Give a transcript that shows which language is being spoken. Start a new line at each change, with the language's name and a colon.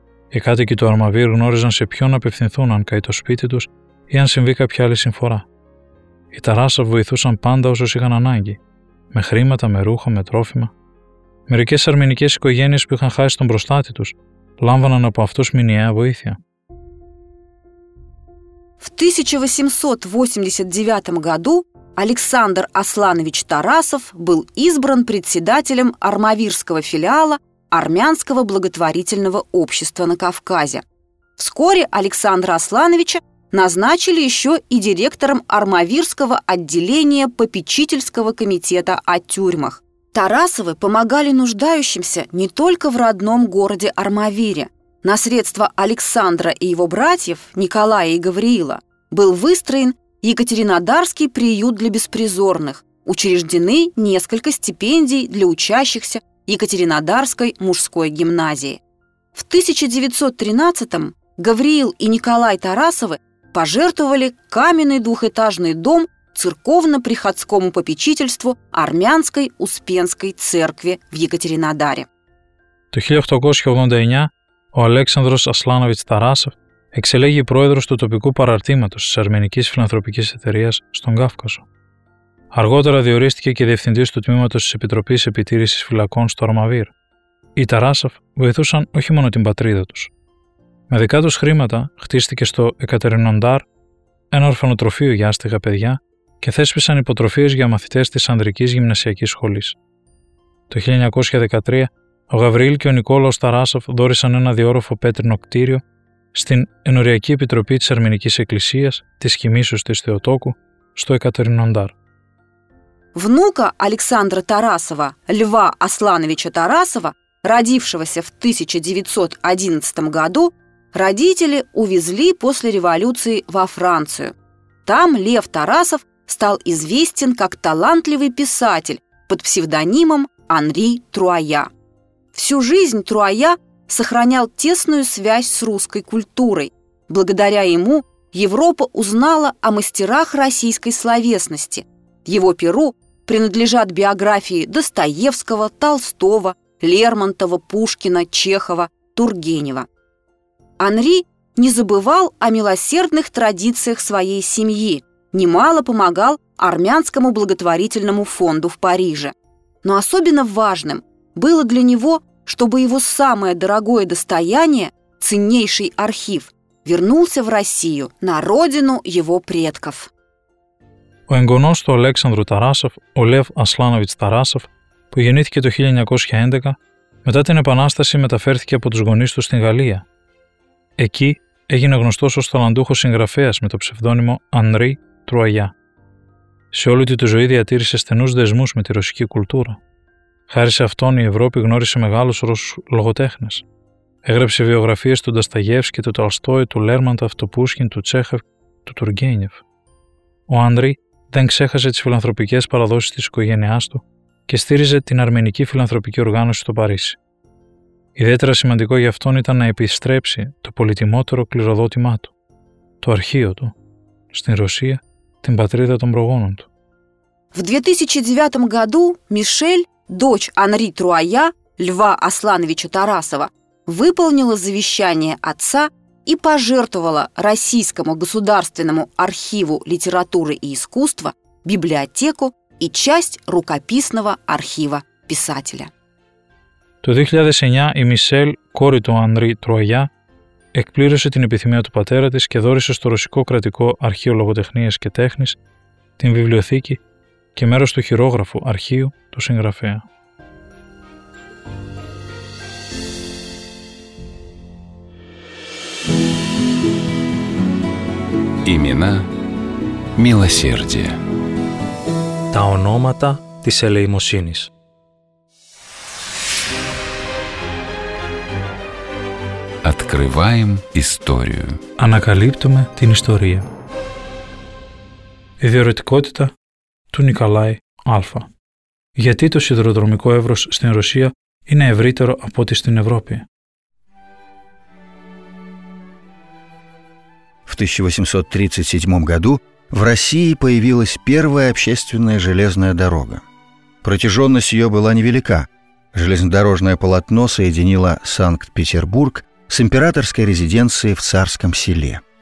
Greek: Οι κάτοικοι του Αρμαβίρ γνώριζαν σε ποιον να απευθυνθούν αν καεί το σπίτι τους ή αν συμβεί κάποια άλλη συμφορά. Οι Τάρασοφ βοηθούσαν πάντα όσους είχαν ανάγκη, με χρήματα, με ρούχα, με τρόφιμα. Μερικές αρμενικές οικογένειες που είχαν χάσει τον προστάτη τους λάμβαναν από αυτούς μηνιαία βοήθεια.
Russian: В 1889 году Александр Асланович Тарасов был избран председателем Армавирского филиала Армянского благотворительного общества на Кавказе. Вскоре Александра Аслановича назначили еще и директором Армавирского отделения попечительского комитета о тюрьмах. Тарасовы помогали нуждающимся не только в родном городе Армавире. На средства Александра и его братьев, Николая и Гавриила, был выстроен Екатеринодарский приют для беспризорных, учреждены несколько стипендий для учащихся Екатеринодарской мужской гимназии. В 1913-м Гавриил и Николай Тарасовы пожертвовали каменный двухэтажный дом церковно-приходскому попечительству Армянской Успенской церкви в Екатеринодаре.
Greek: В 1889 ο Αλέξανδρος Ασλάνοβιτς Τάρασοφ εξελέγει πρόεδρος του τοπικού παραρτήματος της Αρμενικής Φιλανθρωπικής Εταιρείας στον Κάφκασο. Αργότερα διορίστηκε και διευθυντής του τμήματος της Επιτροπής Επιτήρησης Φυλακών στο Αρμαβίρ. Οι Τάρασοφ βοηθούσαν όχι μόνο την πατρίδα τους. Με δικά τους χρήματα χτίστηκε στο Εκατερινοντάρ ένα ορφανοτροφείο για άστεγα παιδιά και θέσπισαν υποτροφίες για μαθητές της Ανδρικής Γυμνασιακής Σχολής. Το 1913 ο Γαβριήλ και ο Νικόλαος Τάρασοφ δώρησαν ένα διόροφο πέτρινο κτίριο στην Ενοριακή Επιτροπή της Αρμενικής Εκκλησίας της Κοιμήσεως της Θεοτόκου στο Εκατερινοντάρ.
Russian: Внука Александра Тарасова, Льва Аслановича Тарасова, родившегося в 1911 году, родители увезли после революции во Францию. Там Лев Тарасов стал известен как талантливый писатель под псевдонимом Анри Труайя. Всю жизнь Труайя сохранял тесную связь с русской культурой. Благодаря ему Европа узнала о мастерах российской словесности. Его перу принадлежат биографии Достоевского, Толстого, Лермонтова, Пушкина, Чехова, Тургенева. Анри не забывал о милосердных традициях своей семьи, немало помогал армянскому благотворительному фонду в Париже. Но особенно важным было для него, чтобы его самое дорогое достояние, ценнейший архив, вернулся в Россию, на родину его предков.
Greek: Ο εγγονός του Αλέξανδρου Τάρασοφ, ο Λεύ Ασλάνοβιτς Τάρασοφ, που γεννήθηκε το 1911, μετά την Επανάσταση μεταφέρθηκε από τους γονείς του στην Γαλλία. Εκεί έγινε γνωστός ως ταλαντούχος συγγραφέας με το ψευδώνυμο Ανρί Τρουαγιά. Σε όλη τη ζωή διατήρησε στενούς δεσμούς με τη ρωσική κουλτούρα. Χάρη σε αυτόν η Ευρώπη γνώρισε μεγάλους Ρώσους λογοτέχνες. Έγραψε βιογραφίες του Νταστάγεφσκι, του Τολστόη, του Λέρμαντοφ, του Πούσκιν, του Τσέχεφ, του Τουργένιεφ. Ο Ανρί δεν ξέχασε τις φιλανθρωπικές παραδόσεις της οικογένειάς του και στήριζε την Αρμενική Φιλανθρωπική Οργάνωση στο Παρίσι. Ιδιαίτερα σημαντικό για αυτόν ήταν να επιστρέψει το πολυτιμότερο κληροδότημά του, το αρχείο του, στην Ρωσία, την πατρίδα των προγόνων του.
Russian: В 2009 году Мишель, дочь Анри Труая, Льва Аслановича Тарасова, выполнила завещание отца и пожертвовала Российскому государственному архиву литературы и искусства, библиотеку и часть рукописного архива писателя.
Greek: Το 2009 η Μισελ, κόρη του Ανρί Τρουαγιά, εκπλήρωσε την επιθυμία του πατέρα της και δώρησε στο Ρωσικό Κρατικό Αρχείο Λογοτεχνίας και Τέχνης την βιβλιοθήκη και μέρος του χειρόγραφου αρχείου του συγγραφέα.
Russian: Имена милосердия.
Greek: Τα ονόματα της ελεημοσύνης.
Russian: Открываем историю.
Greek: Ανακαλύπτουμε την ιστορία. Ιδιωρητικότητα του Νικολάη Α. Γιατί το σιδηροδρομικό εύρος στην Ρωσία είναι ευρύτερο από ό,τι στην Ευρώπη.
Russian: В 1837 году в России появилась первая общественная железная дорога. Протяженность ее была невелика. Железнодорожное полотно соединило Санкт-Петербург с императорской резиденцией в Царском селе.